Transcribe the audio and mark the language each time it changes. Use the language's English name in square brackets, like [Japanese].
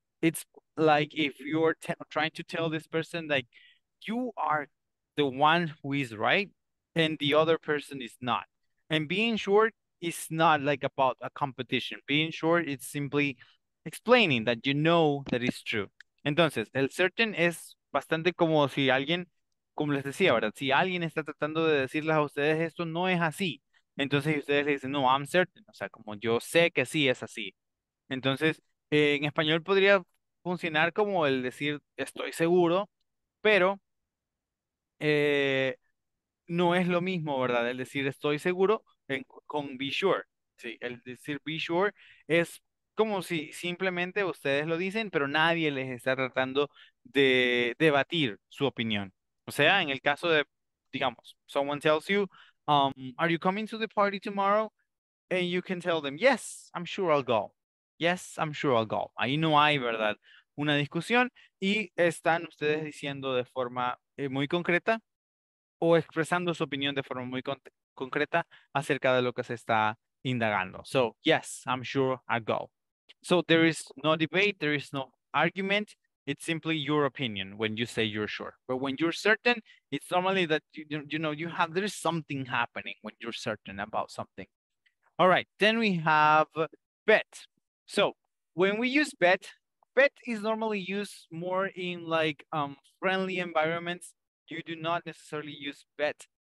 [English] It's like if you're trying to tell this person, like, you are the one who is right and the other person is not. And being sure is not like about a competition. Being sure is simply explaining that you know that it's true. [Spanish] Entonces, el certain es bastante como si alguien, como les decía, ¿verdad? Si alguien está tratando de decirles a ustedes esto, no es así. Entonces, ustedes le dicen, no, [English] I'm certain. [Spanish] O sea, como yo sé que sí es así. Entonces, en español podría funcionar como el decir, estoy seguro, pero no es lo mismo, ¿verdad? El decir, estoy seguro con be sure. Sí, el decir be sure es como si simplemente ustedes lo dicen, pero nadie les está tratando de debatir su opinión. O sea, en el caso de, digamos, [English] someone tells you, are you coming to the party tomorrow? And you can tell them, yes, I'm sure I'll go. Yes, I'm sure I'll go. [Spanish] Ahí no hay, ¿verdad?, una discusión. Y están ustedes diciendo de forma muy concreta o expresando su opinión de forma muy concreta acerca de lo que se está indagando. [English] So, yes, I'm sure I'll go. So, there is no debate, there is no argument. It's simply your opinion when you say you're sure. But when you're certain, it's normally that, you know, you have, there is something happening when you're certain about something. All right, then we have bet. So, when we use bet, bet is normally used more in, like, friendly environments. You do not necessarily use bet